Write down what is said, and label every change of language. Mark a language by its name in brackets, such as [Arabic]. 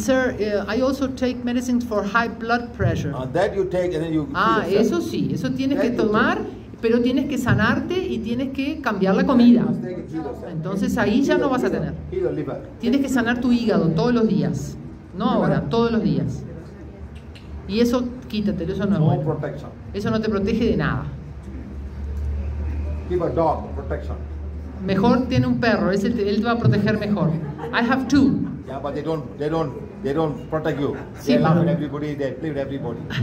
[English] sir, I also take medicines for high blood pressure. That you take and then you. [Spanish] Ah, eso sí, eso tienes que tomar, pero tienes que sanarte y tienes que cambiar la comida. Entonces ahí ya no vas a tener. Tienes que sanar tu hígado todos los días. No ahora, todos los días. Y eso quítatelo, eso no es bueno. Eso no te protege de nada. [English] Keep a dog protection. [Spanish] Mejor tiene un perro, ese él te va a proteger mejor. [English] I have two. Yeah, but they don't protect you. Sí, they love everybody, they please everybody.